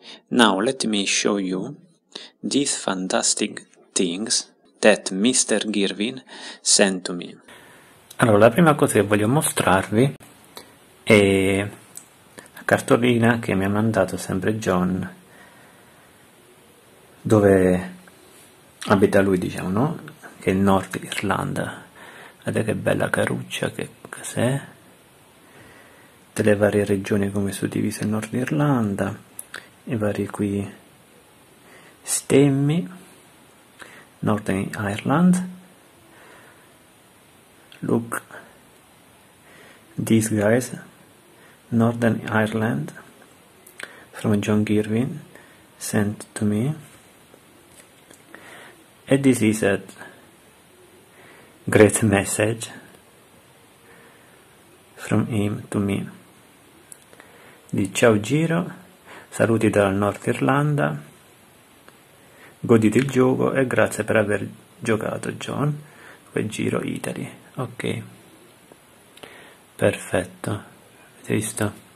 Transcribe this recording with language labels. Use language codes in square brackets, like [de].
[en] Now let me show you these fantastic things that Mr. Girvin sent to me. [it] Allora, la prima cosa che voglio mostrarvi è la cartolina che mi ha mandato sempre John, dove abita lui, diciamo, no? Che è il nord Irlanda. Guardate che bella caruccia, che cos'è? Delle varie regioni come suddivise il nord Irlanda, i vari qui stemmi, Northern Ireland. [en] Look these guys, Northern Ireland, from John Girvin, sent to me. And this is a great message from him to me. [it] Di ciao Giro, saluti dal Nord Irlanda, godite il gioco e grazie per aver giocato, John, per Giro Italy. Ok, perfetto, avete visto?